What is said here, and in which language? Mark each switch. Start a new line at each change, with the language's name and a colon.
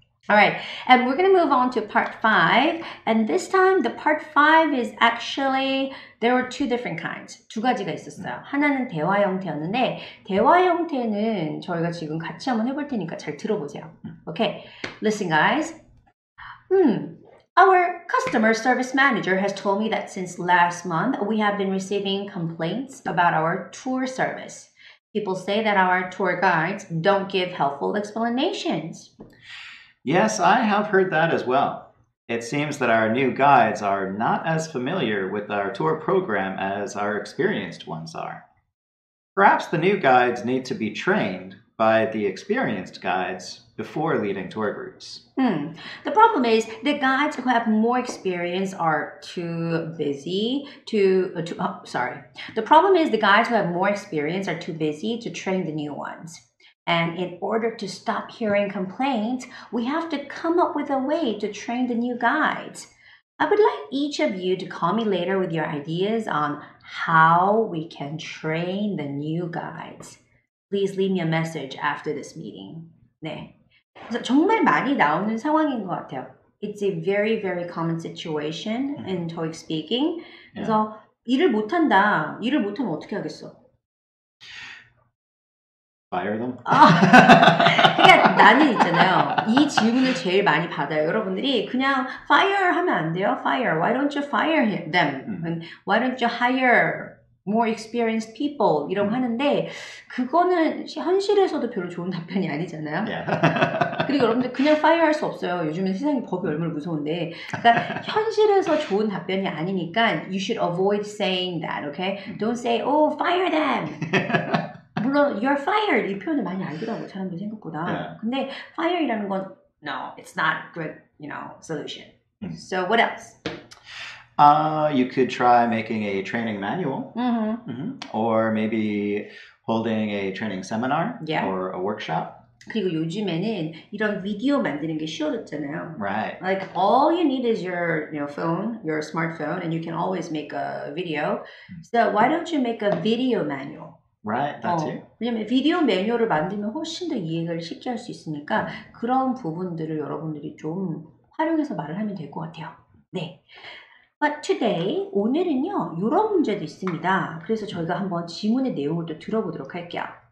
English: All right, and we're going to move on to part five. And this time, the part five is actually, there were two different kinds.
Korean: 두 가지가 있었어요. 하나는 대화 형태였는데, 대화 형태는 저희가 지금 같이 한번 해볼 테니까 잘 들어보세요.
English: Okay, listen guys. Our customer service manager has told me that since last month, we have been receiving complaints about our tour service. People say that our tour guides don't give helpful explanations. Yes, I have heard that as well. It seems that our new guides are not as familiar with our tour program as our experienced ones are. Perhaps the new guides need to be trained by the experienced guides before leading tour groups. The problem is the guides who have more experience are too busy to... The problem is the guides who have more experience are too busy to train the new ones. And in order to stop hearing complaints, we have to come up with a way to train the new guides. I would like each of you to call me later with your ideas on how we can train the new guides. Please leave me a message after this meeting.
Korean: 네. 그래서 정말 많이 나오는 상황인 것 같아요.
English: It's a very, very common situation in TOEIC speaking.
Korean: 그래서 yeah. 일을 못한다. 일을 못하면 어떻게 하겠어?
English: Fire them?
Korean: 그러니까 나는 있잖아요. 이 질문을 제일 많이 받아요. 여러분들이 그냥 fire 하면 안 돼요.
English: Fire. Why don't you fire them? Why don't you hire more experienced people?
Korean: 이런 거 하는데 그거는 현실에서도 별로 좋은 답변이 아니잖아요.
English: Yeah.
Korean: 그리고 여러분들 그냥 fire 할 수 없어요. 요즘에 세상에 법이 얼마나 무서운데. 그러니까 현실에서 좋은 답변이 아니니까
English: you should avoid saying that. Okay? Don't say, oh, fire them.
Korean: 물론
English: you're fired
Korean: 이 표현을 많이 알더라고 사람들 생각보다
English: yeah.
Korean: 근데 fire이라는 건
English: no it's not a good you know solution so what else you could try making a training manual or maybe holding a training seminar yeah. or a workshop
Korean: 그리고 요즘에는 이런 비디오 만드는 게 쉬워졌잖아요
English: right like all you need is your you know phone your smartphone and you can always make a video so why don't you make a video manual Right, that too.
Korean: 왜냐면 비디오 매뉴얼을 만들면 훨씬 더 이해를 쉽게 할 수 있으니까 그런 부분들을 여러분들이 좀 활용해서 말을 하면 될 것 같아요. 네.
English: But today,
Korean: 오늘은요, 이런 문제도 있습니다. 그래서 저희가 한번 질문의 내용을 또 들어보도록 할게요.